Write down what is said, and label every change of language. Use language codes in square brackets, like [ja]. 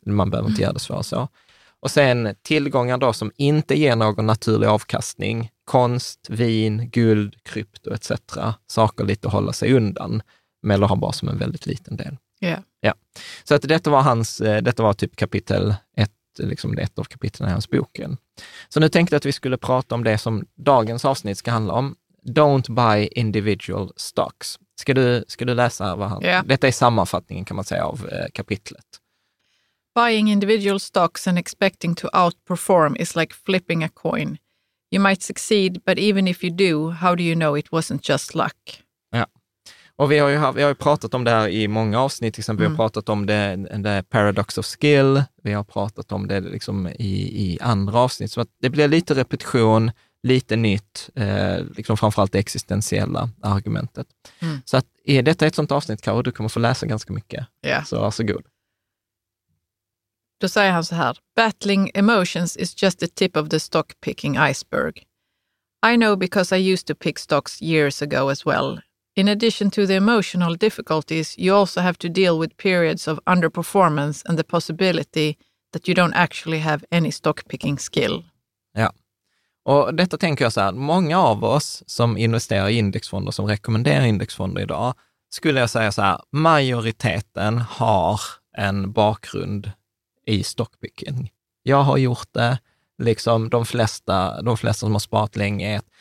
[sv] Man behöver inte göra det svårt så. Och sen tillgångar då som inte ger någon naturlig avkastning, konst, vin, guld, krypto etc. Saker lite att hålla sig undan. Mellor har bara som en väldigt liten del. [en] Yeah. [sv] Ja. Så att detta var typ kapitel 1, liksom ett av kapitlen i hans boken. Så nu tänkte jag att vi skulle prata om det som dagens avsnitt ska handla om. [en] Don't buy individual stocks. [sv] Ska du läsa vad han... [en] Yeah. [sv] Detta är sammanfattningen kan man säga av kapitlet. [en] Buying individual stocks and expecting to outperform is like flipping a coin. You might succeed, but even if you do, how do you know it wasn't just luck? [sv] Och vi har ju pratat om det här i många avsnitt, till exempel vi har pratat om [en] the paradox of skill, [sv] vi har pratat om det liksom i andra avsnitt. Så att det blir lite repetition, lite nytt, liksom framförallt det existentiella argumentet. Mm. Så att detta är ett sånt avsnitt, Karo, du kommer få läsa ganska mycket. [en] Yeah. [sv] Så varsågod. Då säger han så här, [en] battling emotions is just the tip of the stock picking iceberg. I know because I used to pick stocks years ago as well. In addition to the emotional difficulties, you also have to deal with periods of underperformance and the possibility that you don't actually have any stockpicking skill. [sv] Ja, och detta tänker jag så här, många av oss som investerar i indexfonder, som rekommenderar indexfonder idag, skulle jag säga så här, majoriteten har en bakgrund i stockpicking. Jag har gjort det, liksom de flesta som har sparat länge.